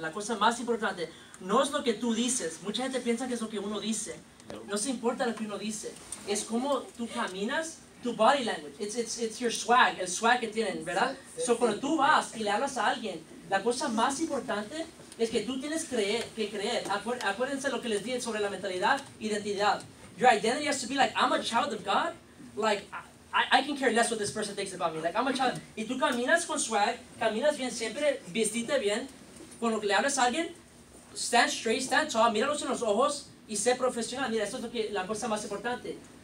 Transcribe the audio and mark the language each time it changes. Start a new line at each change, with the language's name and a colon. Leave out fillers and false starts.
Spanish: La cosa más importante no es lo que tú dices. Mucha gente piensa que es lo que uno dice. No se importa lo que uno dice. Es cómo tú caminas tu body language. It's your swag, el swag que tienen, ¿verdad? So cuando tú vas y le hablas a alguien, la cosa más importante es que tú tienes que creer. Acuérdense lo que les dije sobre la mentalidad, identidad.
English: Your identity has to be like, I'm a child of God. Like, I can care less what this person thinks about me. Like, I'm a child.
Spanish: Y tú caminas con swag, caminas bien, siempre vestite bien. Cuando le hablas a alguien, stand straight, stand tall, míralos en los ojos y sé profesional. Mira, esto es lo que, la cosa más importante.